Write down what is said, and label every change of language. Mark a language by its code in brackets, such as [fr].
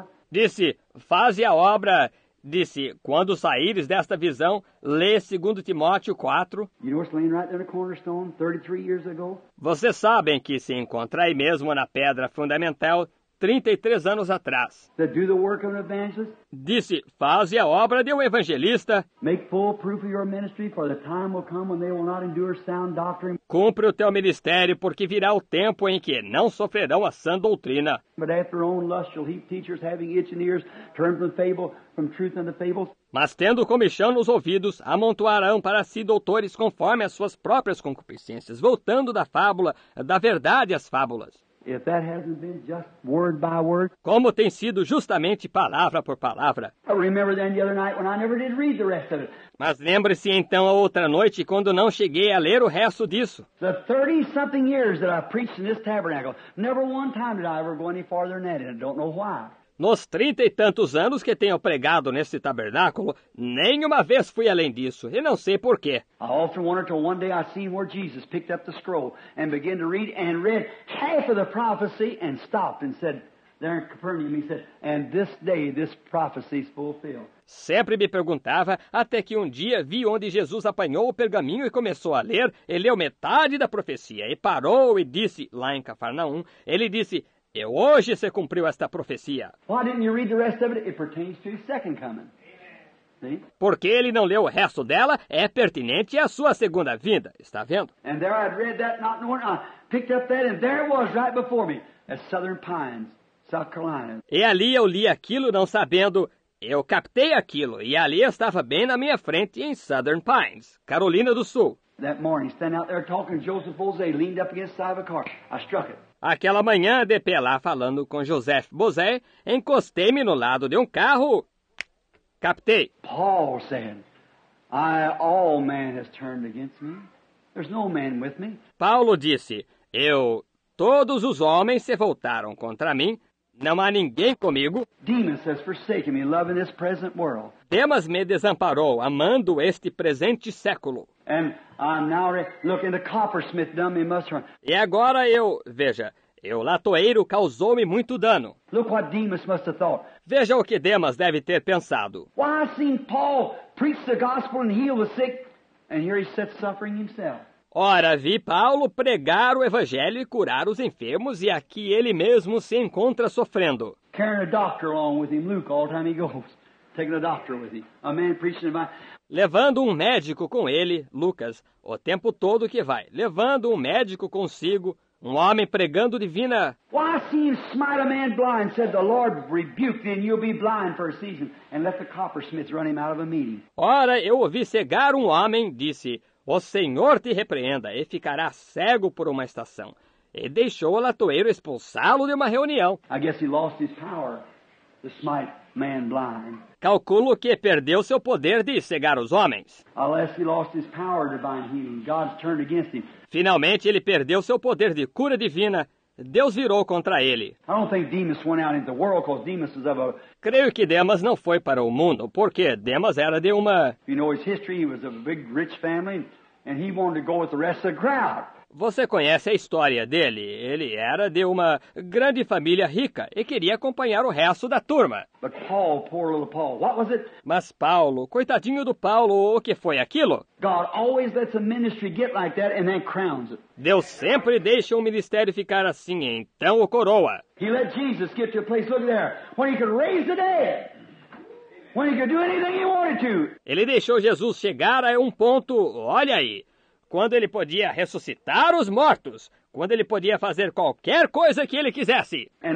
[pt] Disse, faze a obra. Disse, quando saíres desta visão, lê 2 Timóteo 4. [en] You know what's laying right there in the cornerstone 33 years ago? [pt] Vocês sabem que se encontra aí mesmo na pedra fundamental 33 anos atrás. [en] Do the work of an evangelist. [pt] Disse, faze a obra de um evangelista. [en] Make full proof of your ministry, for the time will come when they will not endure sound doctrine. [pt] Cumpre o teu ministério, porque virá o tempo em que não sofrerão a sã doutrina. [en] But after their own lust shall heap teachers having itching ears, turn from the fable, from truth unto fables. [pt] Mas tendo comichão nos ouvidos, amontoarão para si doutores conforme as suas próprias concupiscências, voltando da fábula, da verdade às fábulas. [en] If that hasn't been just word by word. [pt] Como tem sido justamente palavra por palavra. [en] I remember then the other night when I never did read the rest of it. [pt] Mas lembre-se então a outra noite quando não cheguei a ler o resto disso. [en] The 30 something years that I preached in this tabernacle, never one time did I ever go any farther than that, and I don't know why. [pt] Nos 30 e tantos anos que tenho pregado neste tabernáculo, nenhuma vez fui além disso, e não sei porquê. [en] I often wonder till one day I seen where Jesus picked up the scroll and began to read and read half of the prophecy and stopped and said, there in Capernaum, he said, and this day this prophecy is fulfilled. [pt] Sempre me perguntava, até que um dia vi onde Jesus apanhou o pergaminho e começou a ler, e leu metade da profecia, e parou e disse, lá em Cafarnaum, ele disse, e hoje se cumpriu esta profecia. [en] Why didn't you read the rest of it? It pertains to his second coming. See? [pt] Porque ele não leu o resto dela, é pertinente à sua segunda vinda. Está vendo? [en] And there I'd read that, not knowing, I picked up that, and there it was right before me, at Southern Pines, South Carolina. [pt] E ali eu li aquilo não sabendo, eu captei aquilo, e ali estava bem na minha frente, em Southern Pines, Carolina do Sul. [en] That morning, standing out there talking, Joseph Bosé leaned up against the side of a car. I struck it. [pt] Aquela manhã, de pé lá falando com Joseph Bosé, encostei-me no lado de um carro. Captei. [en] Paul said, I, all man has turned against me. There's no man with me. [pt] Paulo disse, eu, todos os homens se voltaram contra mim. Não há ninguém comigo. [en] Demas has forsaken me, loving this present world. [pt] Demas me desamparou, amando este presente século. [en] And I'm now look in the coppersmith done me much harm. [pt] E agora eu, veja, o latoeiro causou-me muito dano. [en] Look what Demas must have thought. [pt] Veja o que Demas deve ter pensado. [en] Why I seen Paul preach the gospel and heal the sick, and here he sits suffering himself. [pt] Ora, vi Paulo pregar o evangelho e curar os enfermos, e aqui ele mesmo se encontra sofrendo. [en] Carrying a doctor along with him, Luke, all the time he goes. Taking a doctor with him. A man preaching about. [pt] Levando um médico com ele, Lucas, o tempo todo que vai. Levando um médico consigo, um homem pregando divina. [en] Why see him smite a man blind, said the Lord rebuke thee, and you'll be blind for a season, and let the coppersmith run him out of a meeting. [pt] Ora, eu ouvi cegar um homem, disse, o Senhor te repreenda, e ficará cego por uma estação. E deixou o latoeiro expulsá-lo de uma reunião. [en] I guess he lost his power to smite man blind. [pt] Calculo que perdeu seu poder de cegar os homens. [en] Unless he lost his power to bind healing, God's turned against him. [pt] Finalmente ele perdeu seu poder de cura divina. Deus virou contra ele. [en] I don't think Demas went out into the world because Demas was of a. [pt] Creio que Demas não foi para o mundo, porque Demas era de uma. [en] You know his history, he was of a big rich family, and he wanted to go with the rest of the crowd. [pt] Você conhece a história dele? Ele era de uma grande família rica e queria acompanhar o resto da turma. [en] But Paul, poor little Paul, what was it? [pt] Mas Paulo, coitadinho do Paulo, o que foi aquilo? [en] God always lets a ministry get like that and then crowns it. [pt] Deus sempre deixa um ministério ficar assim, então o coroa. [en] He let Jesus get to a place, look there, when he could raise the dead. When he could do anything he wanted to. [pt] Ele deixou Jesus chegar a um ponto, olha aí. Quando ele podia ressuscitar os mortos. Quando ele podia fazer qualquer coisa que ele quisesse.